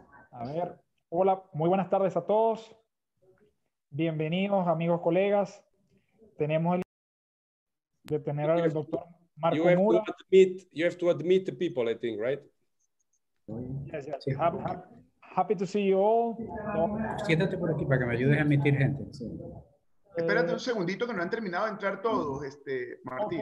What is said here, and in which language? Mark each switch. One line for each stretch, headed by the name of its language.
Spanish: A ver, hola, muy buenas tardes a todos. Bienvenidos, amigos, colegas. Tenemos el de tener al doctor Marco Mura.
English: You have to admit the people, I think, right? Yes, yes. Happy to see you all.
Spanish: Siéntate por aquí para que me ayudes a admitir gente. Espérate un segundito que no han terminado de entrar todos, este Martín.